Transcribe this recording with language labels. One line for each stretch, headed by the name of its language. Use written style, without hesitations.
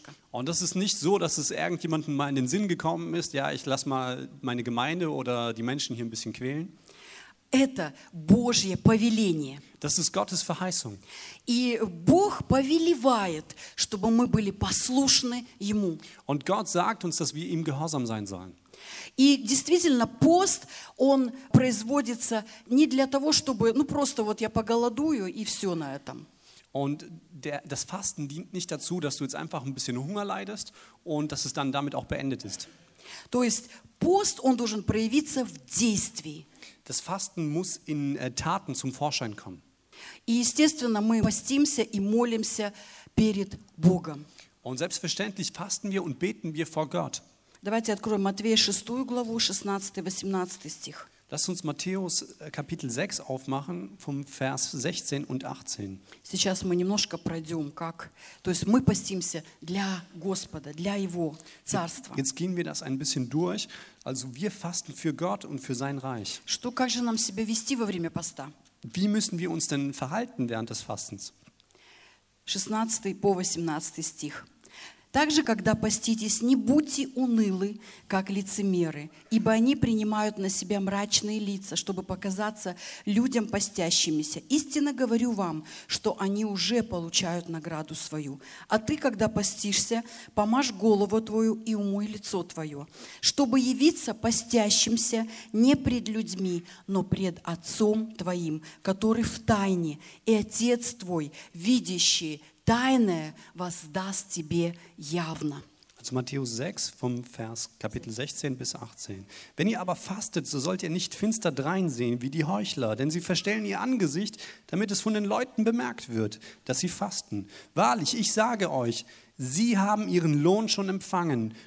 German: Und das ist nicht so, dass es irgendjemandem mal in den Sinn gekommen ist, ja, ich lasse mal meine Gemeinde oder die Menschen hier ein bisschen quälen.
Russian: Это Божье повеление.
German: Das ist Gottes Verheißung.
Russian: И Бог повелевает, чтобы мы были послушны Ему.
German: Und Gott sagt uns, dass wir ihm gehorsam sein sollen.
Russian: И действительно, пост, он производится не для того, чтобы, ну просто вот я поголодую и все на этом.
German: Und das Fasten dient nicht dazu, dass du jetzt einfach ein bisschen Hunger leidest und dass es dann damit auch beendet ist.
Russian: То есть пост, он должен проявиться в действии.
German: Das Fasten muss in Taten zum Vorschein kommen.
Russian: И естественно, мы постимся и молимся перед Богом.
German: Und selbstverständlich fasten wir und beten wir vor Gott.
Russian: Давайте откроем Матвея 6 главу, 16-18 стих.
German: Lass uns Matthäus Kapitel 6 aufmachen, vom Vers 16 und 18.
Russian: Сейчас мы немножко пройдем, как... То есть мы постимся для Господа, для Его Царства.
German: Jetzt gehen wir das ein bisschen durch. Also wir fasten für Gott und für sein Reich.
Russian: Что, как же нам себя вести во время поста?
German: Wie müssen wir uns denn verhalten während des Fastens?
Russian: 16 по 18 стих. Также, когда поститесь, не будьте унылы, как лицемеры, ибо они принимают на себя мрачные лица, чтобы показаться людям постящимися. Истинно говорю вам, что они уже получают награду свою. А ты, когда постишься, помажь голову твою и умой лицо твое, чтобы явиться постящимся не пред людьми, но пред Отцом твоим, который в тайне, и Отец твой, видящий, тайное воздаст тебе явно.
German: Also Matthäus 6, vom Vers Kapitel 16 bis 18. Wenn ihr aber fastet, so sollt ihr nicht finster dreinsehen wie die Heuchler, denn sie verstellen ihr Angesicht, damit es von den Leuten bemerkt wird, dass sie fasten. Wahrlich, ich sage euch, sie haben ihren Lohn schon empfangen.